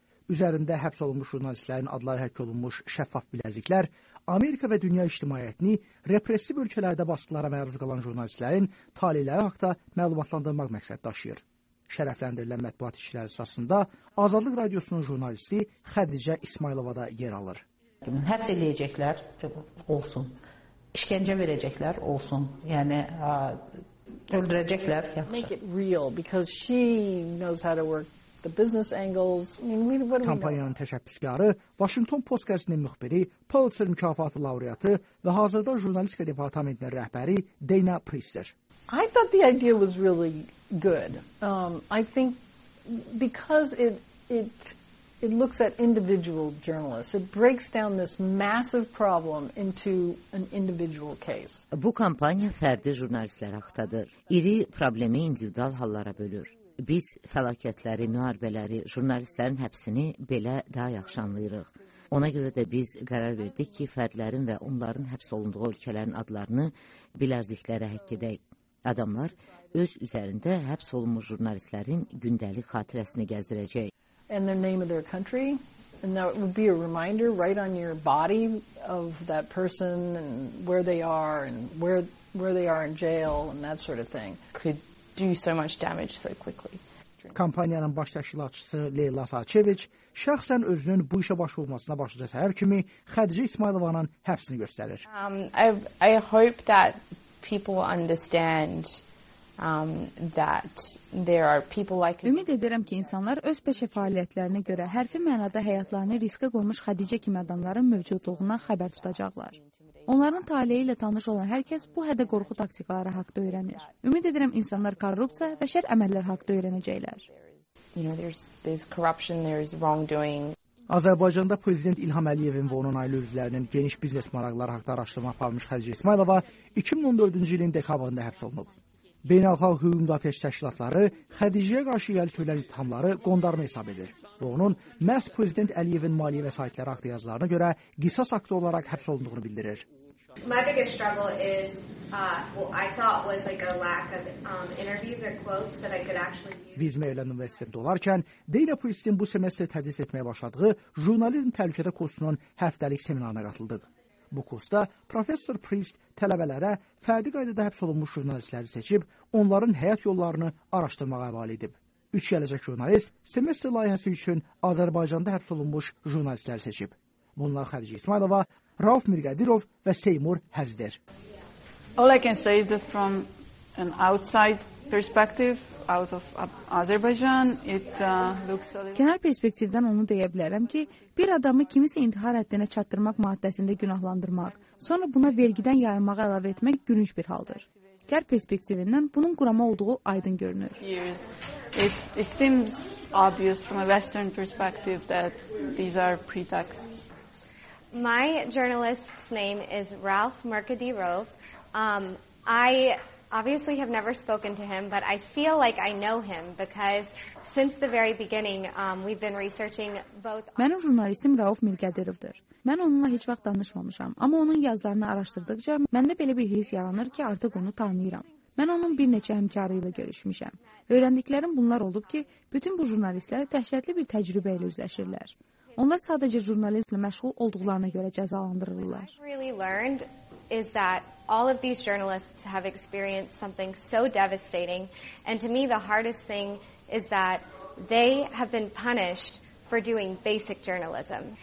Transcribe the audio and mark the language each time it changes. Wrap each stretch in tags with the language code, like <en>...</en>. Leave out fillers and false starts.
<az>Üzərində həbs olunmuş jurnalistlərin adları həkk olunmuş şəffaf biləziklər Amerika və dünya ictimaiyyətini represiv ölkələrdə baskılara məruz qalan jurnalistlərin taleyləri haqda məlumatlandırmaq məqsəd daşıyır. Şərəfləndirilən mətbuat işçiləri sırasında Azadlıq Radiosunun jurnalisti Xədicə İsmailova da yer alır. Həbs edəcəklər olsun, işgəncə verəcəklər olsun, yəni öldürəcəklər yaxşı.</az> <en>Make it real, because she knows how to work the business angles.</en> <az>Kampaniyanın təşəbbüskarı, Washington Post qəzetinin müxbiri, Pulitzer mükafatı laureatı və hazırda jurnalistika departamentinin rəhbəri Dana Priester.</az> <en>I thought the idea was really good. I think because it looks at individual journalists, it breaks down this massive problem into an individual case.</en> <az>Bu kampaniya fərdi jurnalistlər haqqındadır. İri problemi individual hallara bölür. Biz fəlakətləri, müharibələri, jurnalistlərin həbsini belə daha yaxşı anlayırıq. Ona görə də biz qərar verdik ki, fərdlərin və onların həbs olunduğu ölkələrin adlarını bilərziklərə həkk edək. Adamlar öz üzərində həbs olunmuş jurnalistlərin gündəlik xatirəsini gəzdirəcək.</az> <en>And the name of their country, and that would be a reminder right on your body of that person and where they are and where they are in jail and that sort of thing. Could do so much damage so quickly.</en> <az>Kampaniyanın baş təşkilatçısı Leyla Saçeviç şəxsən özünün bu işə başvurmasına başlayacaq səhər kimi Xədicə İsmailovanın həbsini göstərir.</az> <en>I hope that people understand that there are people like</en> <az>Ümid edirəm ki, insanlar öz peşə fəaliyyətlərinə görə hərfi mənada həyatlarını riskə qoymuş Xədicə kimi adamların mövcudluğundan xəbər tutacaqlar. Onların taleyi ilə tanış olan hər kəs bu hədə qorxu taktikaları haqqında öyrənir. Ümid edirəm, insanlar korrupsiya və şər əməllər haqqında öyrənəcəklər.</az> <en>You know, there's corruption, there's wrongdoing.</en> <az>Azərbaycanda Prezident İlham Əliyevin və onun ailə üzvlərinin geniş biznes maraqları haqda araşdırma aparmış Xədicə İsmailova 2014-cü ilin dekabrında həbs olunub. Beynəlxalq hüquq müdafiəçi təşkilatları Xədicəyə qarşı irəli sürülən ittihamları qondarma hesab edir və onun məhz Prezident Əliyevin maliyyə vəsaitləri haqda yazılarına görə qisas aktı olaraq həbs olunduğunu bildirir.</az> <en>My biggest struggle is I thought was like a lack of interviews or quotes that I could actually use.</en> <az>Biz Maryland Universitetində olarkən Dana Priestin bu semestr tədris etməyə başladığı jurnalizm təhlükədə kursunun həftəlik seminarına qatıldıq. Bu kursda Professor Priest tələbələrə fərdi qaydada həbs olunmuş jurnalistləri seçib, onların həyat yollarını araşdırmağa əvəl edib. Üç gələcək jurnalist semestr layihəsi üçün Azərbaycanda həbs olunmuş jurnalistləri seçib. Bunlar Xədicə İsmailova, Rauf Mirqədirov və Seymur Həzidir.</az> <en>All I can say is that from an outside perspective, out of Azerbaijan, it looks a little...</en> <az>Kənar perspektivdən onu deyə bilərəm ki, bir adamı kimisə intihar həddinə çatdırmaq maddəsində günahlandırmaq, sonra buna vergidən yayınmaq əlavə etmək gülünç bir haldır. Kənar perspektivindən bunun qurama olduğu aydın görünür.</az> <en>It seems obvious from a Western perspective that these are pretexts. My journalist's name is Rauf Mirqədirov. I obviously have never spoken to him, but I feel like I know him because since the very beginning we've been researching both.</en> <az>Mənim jurnalistim Rauf Mirqədirovdur. Mən onunla heç vaxt danışmamışam, amma onun yazılarını araşdırdıqca məndə belə bir hiss yaranır ki, artıq onu tanıyıram. Mən onun bir neçə həmkarı ilə görüşmüşəm. Öyrəndiklərim bunlar olub ki, bütün bu jurnalistlər dəhşətli bir təcrübə ilə üzləşirlər. Onlar sadəcə jurnalistlə məşğul olduqlarına görə cəzalandırılırlar.</az> <en>Is that all of these journalists have experienced something so devastating, and to me the hardest thing is that they have been punished for doing basic journalism.</en>